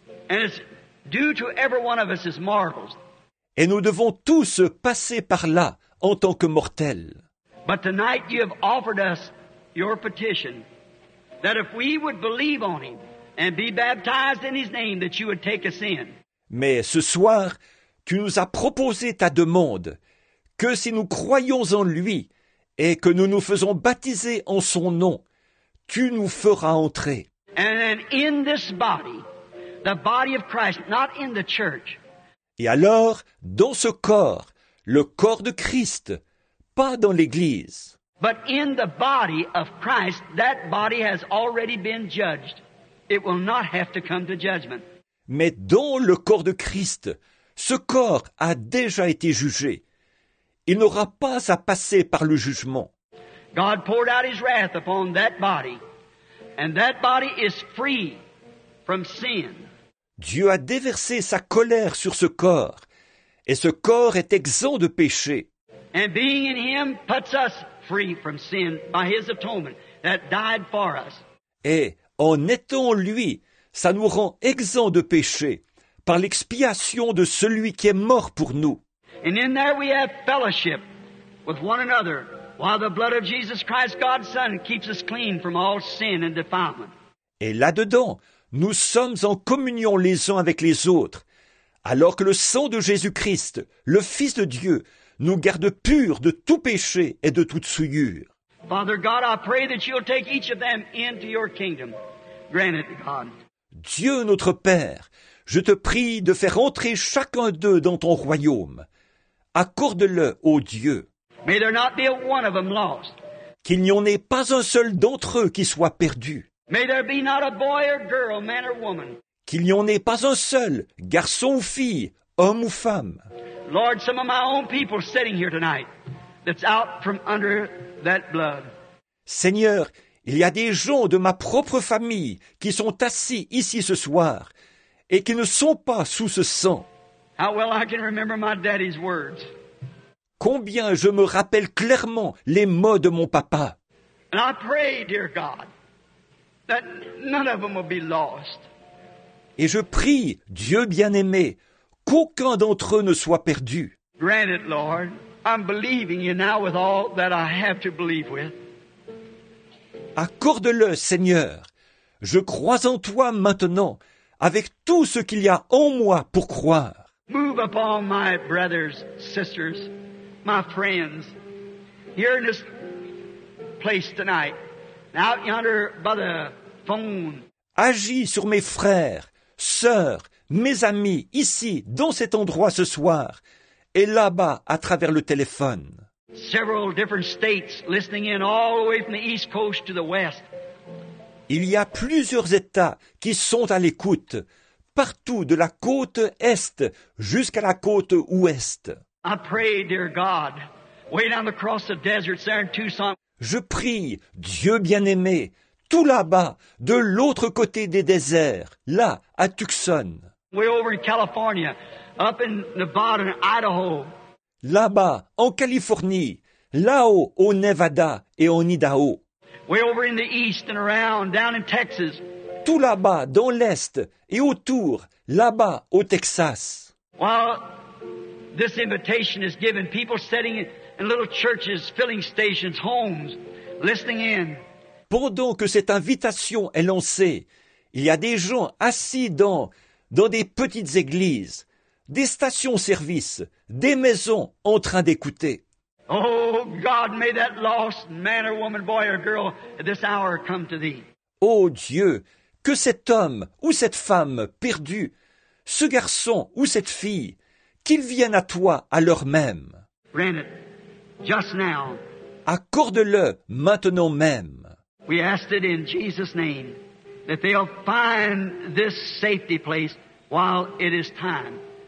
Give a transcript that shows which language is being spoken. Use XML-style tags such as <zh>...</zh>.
<en>And it's due to every one of us as mortals.</en> <fr>Et nous devons tous passer par là en tant que mortels.</fr> <en>But tonight you have offered us your petition that if we would believe on him and be baptized in his name that you would take us in.</en> <fr>Mais ce soir, tu nous as proposé ta demande que si nous croyons en lui et que nous nous faisons baptiser en son nom, tu nous feras entrer.</fr> <en>And then in this body, the body of Christ, not in the church.</en> <fr>Et alors, dans ce corps, le corps de Christ, pas dans l'Église.</fr> <en>But in the body of Christ, that body has already been judged. It will not have to come to judgment.</en> <fr>Mais dans le corps de Christ, ce corps a déjà été jugé. Il n'aura pas à passer par le jugement.</fr> <en>God poured out his wrath upon that body, and that body is free from sin.</en> <fr>Dieu a déversé sa colère sur ce corps, et ce corps est exempt de péché.</fr> <en>And being in him puts us free from sin by his atonement that died for us.</en> <fr>Et en étant lui, ça nous rend exempt de péché par l'expiation de celui qui est mort pour nous.</fr> <en>And in there we have fellowship with one another while the blood of Jesus Christ, God's Son, keeps us clean from all sin and defilement.</en> <fr>Et là-dedans, nous sommes en communion les uns avec les autres, alors que le sang de Jésus-Christ, le Fils de Dieu, nous garde purs de tout péché et de toute souillure.</fr> <en>Father God, I pray that you'll take each of them into your kingdom. Grant it, God.</en> <fr>Dieu notre Père, je te prie de faire entrer chacun d'eux dans ton royaume. Accorde-le, ô Dieu.</fr> <en>May there not be one of them lost.</en> <fr>Qu'il n'y en ait pas un seul d'entre eux qui soit perdu.</fr> <en>May there be not a boy or girl, man or woman.</en> <fr>Qu'il n'y en ait pas un seul, garçon ou fille, homme ou femme.</fr> <en>Lord, some of my own people sitting here tonight that's out from under that blood.</en> <fr>Seigneur, il y a des gens de ma propre famille qui sont assis ici ce soir et qui ne sont pas sous ce sang.</fr> <en>How well I can remember my daddy's words.</en> <fr>Combien je me rappelle clairement les mots de mon papa.</fr> <en>And I pray, dear God, that none of them will be lost.</en> <fr>Et je prie, Dieu bien-aimé, qu'aucun d'entre eux ne soit perdu.</fr> <en>Grant it, Lord. I'm believing you now with all that I have to believe with.</en> <fr>Accorde-le, Seigneur. Je crois en toi maintenant, avec tout ce qu'il y a en moi pour croire.</fr> <en>Move upon my brothers, sisters, my friends, here in this place tonight. Out yonder by the phone.</en> <fr>Agis sur mes frères, sœurs, mes amis, ici, dans cet endroit ce soir, et là-bas, à travers le téléphone.</fr> <en>Several different states listening in all the way from the East Coast to the West.</en> <fr>Il y a plusieurs États qui sont à l'écoute, partout de la côte Est jusqu'à la côte Ouest.</fr> <en>I pray, dear God, way down across the desert there in Tucson.</en> <fr>Je prie, Dieu bien-aimé, tout là-bas, de l'autre côté des déserts, là, à Tucson.</fr> <en>Way over in California, up in Nevada and Idaho.</en> <fr>Là-bas, en Californie, là-haut, au Nevada et en Idaho.</fr> <en>Way over in the east and around, down in Texas.</en> <fr>Tout là-bas, dans l'est et autour, là-bas, au Texas.</fr> <en>While this invitation is given, people sitting in little churches, filling stations, homes, listening in.</en> <fr>Pendant que cette invitation est lancée, il y a des gens assis dans des petites églises, des stations-service, des maisons en train d'écouter.</fr> <en>Oh, God, may that lost man or woman, boy or girl, at this hour come to thee.</en> <fr>Oh, Dieu, que cet homme ou cette femme perdue, ce garçon ou cette fille, qu'ils viennent à toi à l'heure même.</fr> <en>Grant it just now.</en> <fr>Accorde-le maintenant même.</fr> <en>We ask it in Jesus' name, that they'll find this safety place while it is time.</en>